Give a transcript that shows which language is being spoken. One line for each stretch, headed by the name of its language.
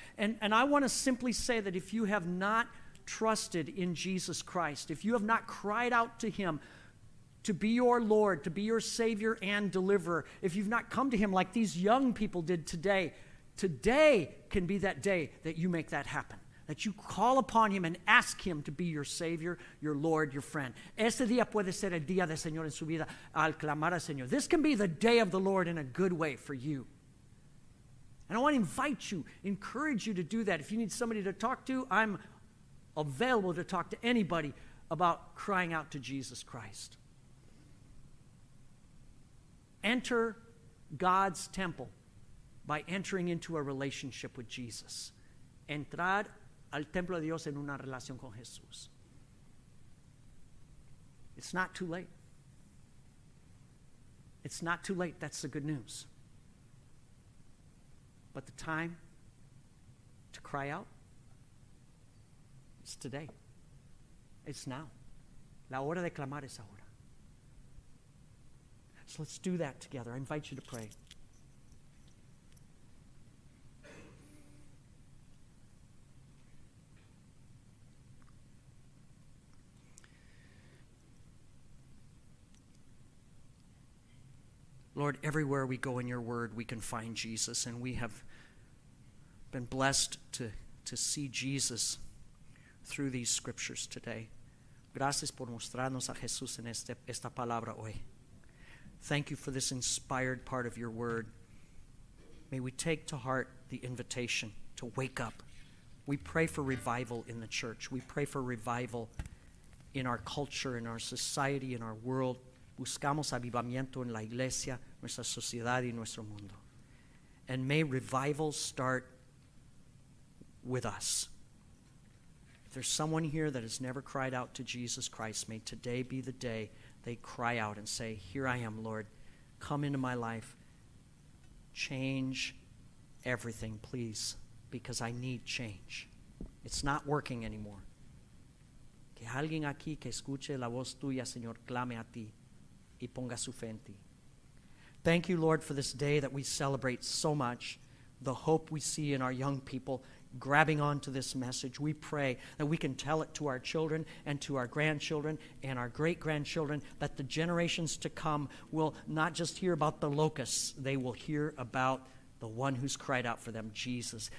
English: And I want to simply say that if you have not trusted in Jesus Christ, if you have not cried out to Him to be your Lord, to be your Savior and Deliverer, if you've not come to Him like these young people did today, today can be that day that you make that happen, that you call upon Him and ask Him to be your Savior, your Lord, your friend.
Spanish: Este día puede ser el día del Señor en su vida al clamar al Señor.
English: This can be the day of the Lord in a good way for you. And I want to invite you, encourage you to do that. If you need somebody to talk to, I'm available to talk to anybody about crying out to Jesus Christ. Enter God's temple by entering into a relationship with Jesus.
Spanish: Entrar al templo de Dios en una relación con Jesús.
English: It's not too late. It's not too late. That's the good news. But the time to cry out, it's today. It's now.
Spanish: La hora de clamar es ahora.
English: So let's do that together. I invite you to pray. Lord, everywhere we go in Your word, we can find Jesus, and we have been blessed to see Jesus through these scriptures today.
Spanish: Gracias por mostrarnos a Jesús en esta palabra hoy.
English: Thank you for this inspired part of Your word. May we take to heart the invitation to wake up. We pray for revival in the church. We pray for revival in our culture, in our society, in our world.
Spanish: Buscamos avivamiento en la iglesia, nuestra sociedad y nuestro mundo.
English: And may revival start with us. If there's someone here that has never cried out to Jesus Christ, may today be the day they cry out and say, "Here I am, Lord. Come into my life. Change everything, please, because I need change. It's not working anymore.
Spanish: Que alguien aquí que escuche la voz tuya, Señor, clame a ti y ponga su fe en ti.
English: Thank you, Lord, for this day that we celebrate so much, the hope we see in our young people grabbing onto this message. We pray that we can tell it to our children and to our grandchildren and our great-grandchildren, that the generations to come will not just hear about the locusts, they will hear about the one who's cried out for them, Jesus.